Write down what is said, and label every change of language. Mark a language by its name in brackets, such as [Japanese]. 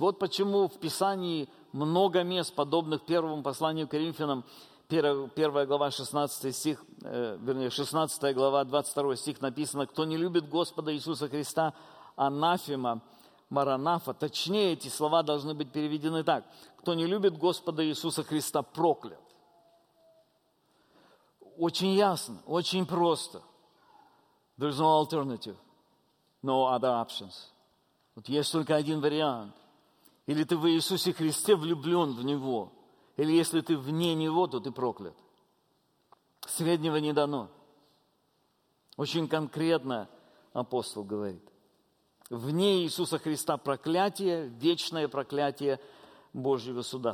[Russian] Вот почему в Писании много мест, подобных первому посланию к Коринфянам, 1 глава 16 стих, вернее, 16 глава 22 стих написано, «Кто не любит Господа Иисуса Христа, анафема, маранафа». Точнее, эти слова должны быть переведены так. «Кто не любит Господа Иисуса Христа, проклят». Очень ясно, очень просто. [English] There's no alternative, no other options. [Russian] Вот есть только один вариант. Или ты в Иисусе Христе влюблен в Него, или если ты вне Него, то ты проклят. Среднего не дано. Очень конкретно апостол говорит. Вне Иисуса Христа проклятие, вечное проклятие Божьего суда.